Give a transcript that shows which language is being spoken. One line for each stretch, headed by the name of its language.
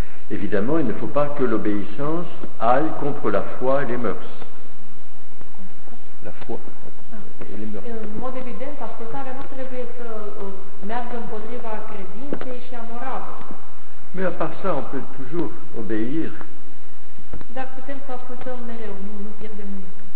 French: Évidemment, il ne faut pas que l'obéissance aille contre la foi et les mœurs. La foi et les mœurs.
Romanian: În mod evident, ascultarea nu trebuie să meargă împotriva credinței și a moralei.
French: Mais à part ça, on peut toujours obéir.
Romanian: Dar putem să ascultăm mereu, nu pierdem nimic.